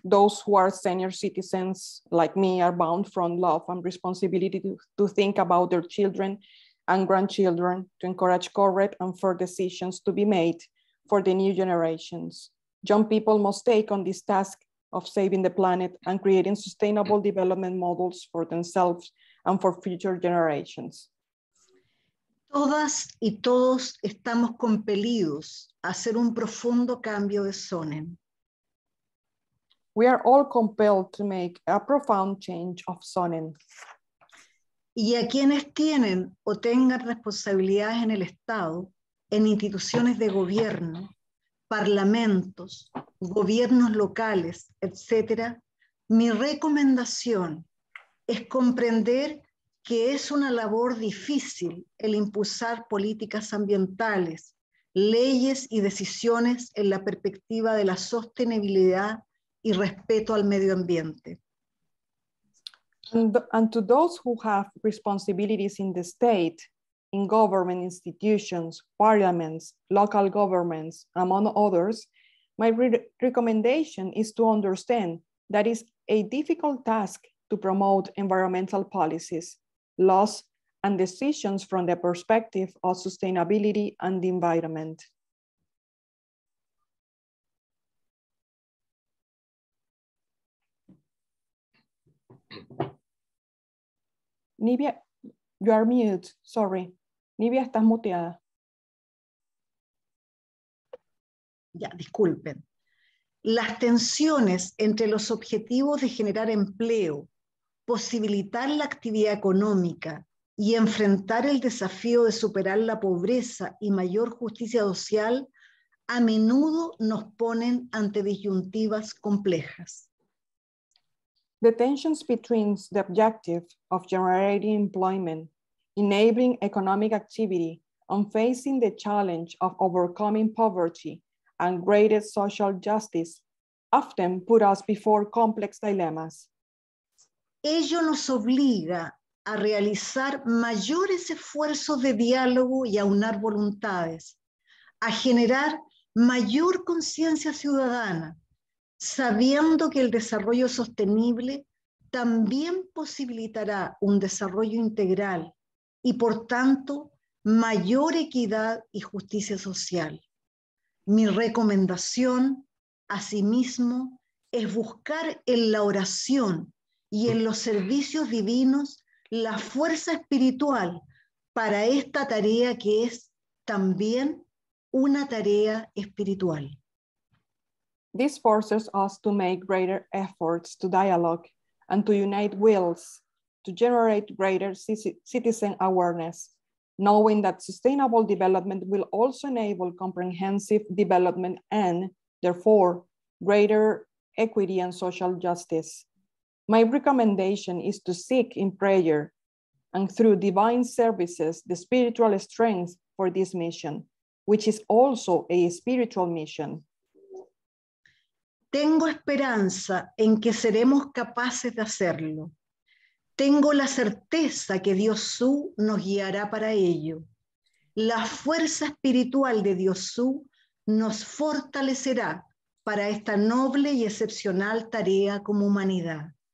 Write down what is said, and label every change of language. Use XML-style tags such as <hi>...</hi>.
<en>Those who are senior citizens like me are bound from love and responsibility to think about their children and grandchildren, to encourage correct and fair decisions to be made for the new generations. Young people must take on this task of saving the planet and creating sustainable development models for themselves and for future generations.</en> <es>Todas y todos estamos compelidos a hacer un profundo cambio de zonen.</es> <en>We are all compelled to make a profound change of zonen.</en> <es>Y a quienes tienen o tengan responsabilidades en el Estado, en instituciones de gobierno, parlamentos, gobiernos locales, etc., mi recomendación es comprender que es una labor difícil el impulsar políticas ambientales, leyes y decisiones en la perspectiva de la sostenibilidad y respeto al medio ambiente.</es> <en>And to those who have responsibilities in the state, in government institutions, parliaments, local governments, among others, my recommendation is to understand that it's a difficult task to promote environmental policies, laws, and decisions from the perspective of sustainability and the environment. Nivia, you are mute, sorry. Nivia, estás muteada.</en> <es>Ya, disculpen. Las tensiones entre los objetivos de generar empleo, posibilitar la actividad económica y enfrentar el desafío de superar la pobreza y mayor justicia social a menudo nos ponen ante disyuntivas complejas.</es> <en>The tensions between the objective of generating employment, enabling economic activity, and facing the challenge of overcoming poverty and greater social justice often put us before complex dilemmas.</en> <es>Ello nos obliga a realizar mayores esfuerzos de diálogo y aunar voluntades, a generar mayor conciencia ciudadana, sabiendo que el desarrollo sostenible también posibilitará un desarrollo integral y, por tanto, mayor equidad y justicia social. Mi recomendación, asimismo, es buscar en la oración y en los servicios divinos la fuerza espiritual para esta tarea que es también una tarea espiritual.</es> <en>This forces us to make greater efforts to dialogue and to unite wills to generate greater citizen awareness, knowing that sustainable development will also enable comprehensive development and, therefore, greater equity and social justice. My recommendation is to seek in prayer and through divine services the spiritual strength for this mission, which is also a spiritual mission.</en> <es>Tengo esperanza en que seremos capaces de hacerlo. Tengo la certeza que Dios Su nos guiará para ello. La fuerza espiritual de Dios Su nos fortalecerá para esta noble y excepcional tarea como humanidad.</es>